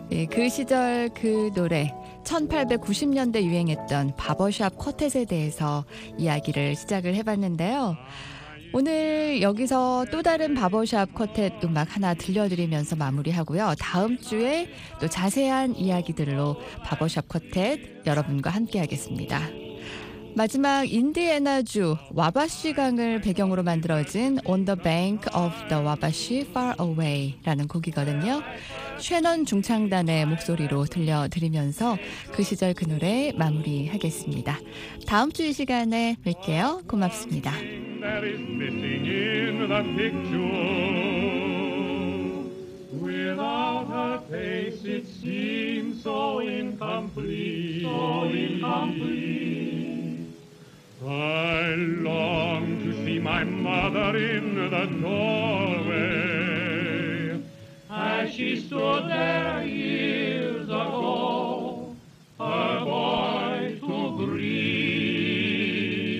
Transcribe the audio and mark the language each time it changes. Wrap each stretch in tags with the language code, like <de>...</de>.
<ko>그 시절 그 노래, 1890년대 유행했던 바버샵 쿼텟에 대해서 이야기를 시작을 해봤는데요. 오늘 여기서 또 다른 바버샵 쿼텟 음악 하나 들려드리면서 마무리하고요. 다음 주에 또 자세한 이야기들로 바버샵 쿼텟 여러분과 함께하겠습니다. 마지막 인디애나주 와바시강을 배경으로 만들어진 On the Bank of the Wabash Far Away라는 곡이거든요. 쉐넌 중창단의 목소리로 들려드리면서 그 시절 그 노래 마무리하겠습니다. 다음 주 이 시간에 뵐게요. 고맙습니다.</ko> <en>That is missing in the picture. Without her face, it seems so incomplete. So incomplete. I long to see my mother in the doorway, as she stood there years ago, her boy to greet.</en>